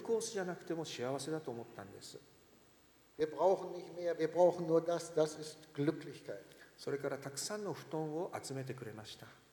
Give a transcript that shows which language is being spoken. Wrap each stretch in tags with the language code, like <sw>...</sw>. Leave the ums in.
<ja>コースじゃなくても幸せだと思ったんです。</ja> <de>Wir brauchen nicht mehr, wir brauchen nur das, das ist Glücklichkeit.</de> <ja>それからたくさんの布団を集めてくれました。</ja>